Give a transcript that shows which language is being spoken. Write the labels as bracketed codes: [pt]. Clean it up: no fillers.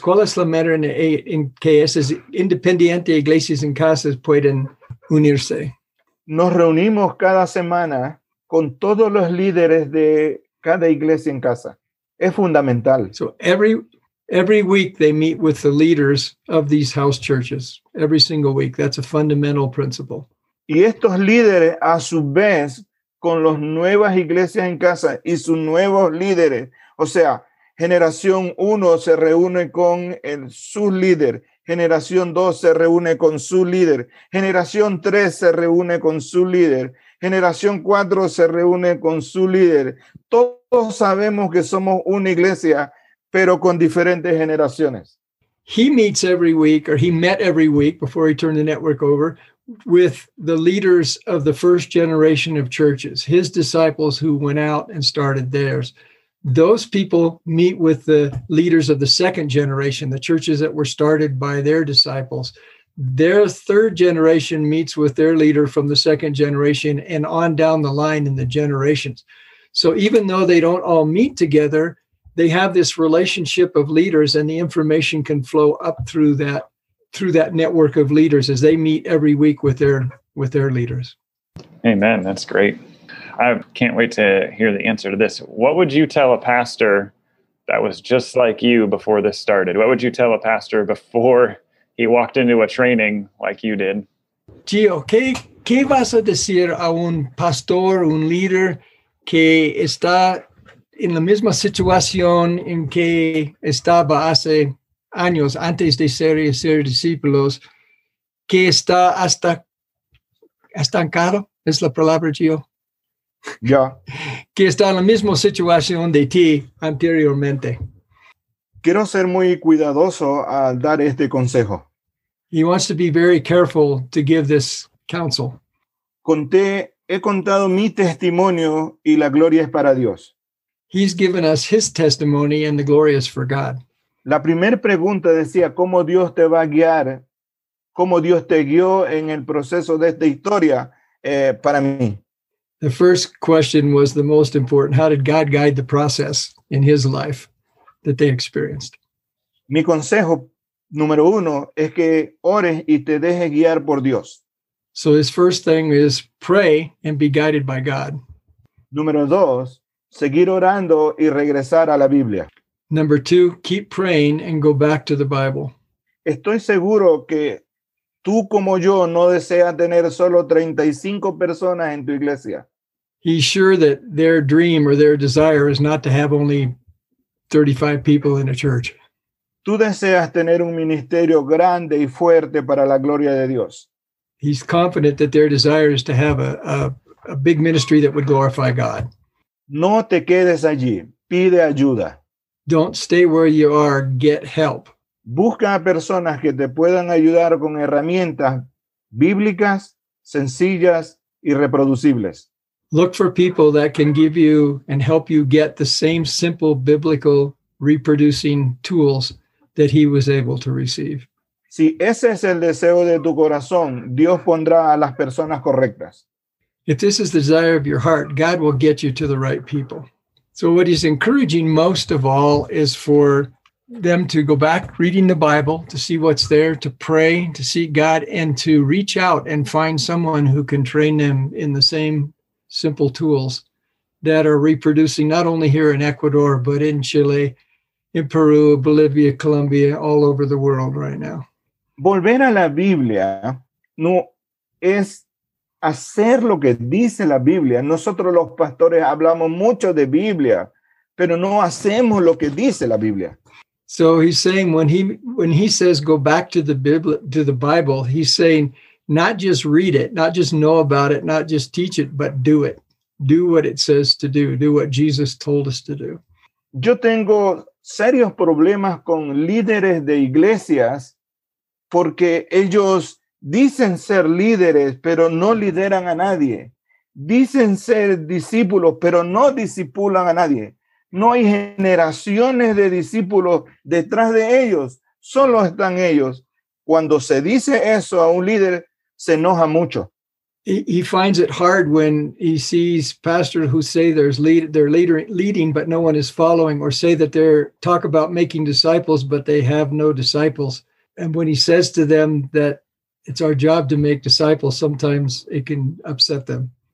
[es] ¿Cuál es la manera en que esas independientes iglesias en casas pueden unirse? Nos reunimos cada semana con todos los líderes de cada iglesia en casa. Es fundamental. [en] So every week they meet with the leaders of these house churches. Every single week. That's a fundamental principle. [es] Y estos líderes, a su vez, con las nuevas iglesias en casa y sus nuevos líderes. O sea, generación 1 se reúne con su líder. Generación 2 se reúne con su líder. Generación 3 se reúne con su líder. Generación 4 se reúne con su líder. Todos sabemos que somos una iglesia, pero con diferentes generaciones. [en] He meets every week, or he met every week before he turned the network over, with the leaders of the first generation of churches, his disciples who went out and started theirs. Those people meet with the leaders of the second generation, the churches that were started by their disciples. Their third generation meets with their leader from the second generation and on down the line in the generations. So even though they don't all meet together, they have this relationship of leaders, and the information can flow up through that through that network of leaders as they meet every week with their leaders. Amen. That's great. I can't wait to hear the answer to this. What would you tell a pastor that was just like you before this started? What would you tell a pastor before he walked into a training like you did? [es] Gio, ¿qué vas a decir a un pastor, un líder que está en la misma situación en que estaba hace años antes de ser discípulos, que está hasta estancado? ¿Es la palabra, Gio? Ya. Que está en la misma situación de ti anteriormente. Quiero ser muy cuidadoso al dar este consejo. [en] He wants to be very careful to give this counsel. [es] He contado mi testimonio y la gloria es para Dios. [en] He's given us his testimony and the glory is for God. [es] La primera pregunta decía, ¿cómo Dios te va a guiar? ¿Cómo Dios te guió en el proceso de esta historia para mí? [en] The first question was the most important. How did God guide the process in his life that they experienced? [es] Mi consejo número uno es que ores y te dejes guiar por Dios. [en] So his first thing is pray and be guided by God. [es] Número dos, seguir orando y regresar a la Biblia. [en] Number two, keep praying and go back to the Bible. [es] Estoy seguro que tú como yo no deseas tener solo 35 personas en tu iglesia. [en] He's sure that their dream or their desire is not to have only 35 people in a church. [es] Tú deseas tener un ministerio grande y fuerte para la gloria de Dios. [en] He's confident that their desire is to have a big ministry that would glorify God. [es] No te quedes allí. Pide ayuda. [en] Don't stay where you are. Get help. [es] Busca a personas que te puedan ayudar con herramientas bíblicas, sencillas y reproducibles. [en] Look for people that can give you and help you get the same simple biblical reproducing tools that he was able to receive. [es] Si ese es el deseo de tu corazón, Dios pondrá a las personas correctas. [en] If this is the desire of your heart, God will get you to the right people. So what he's encouraging most of all is for them to go back reading the Bible, to see what's there, to pray, to seek God, and to reach out and find someone who can train them in the same simple tools that are reproducing not only here in Ecuador, but in Chile, in Peru, Bolivia, Colombia, all over the world right now. [es] Volver a la Biblia no es hacer lo que dice la Biblia. Nosotros los pastores hablamos mucho de Biblia, pero no hacemos lo que dice la Biblia. [en] So he's saying when he says go back to the Bible, he's saying not just read it, not just know about it, not just teach it, but do it. Do what it says to do. Do what Jesus told us to do. [es] Yo tengo serios problemas con líderes de iglesias porque ellos dicen ser líderes, pero no lideran a nadie. Dicen ser discípulos, pero no discipulan a nadie. No hay generaciones de discípulos detrás de ellos. Solo están ellos. Cuando se dice eso a un líder, se enoja mucho. [en] He finds it hard when he sees pastors who say they're leading, but no one is following, or say that they're talk about making disciples, but they have no disciples. And when he says to them that it's our job to make disciples, sometimes it can upset them.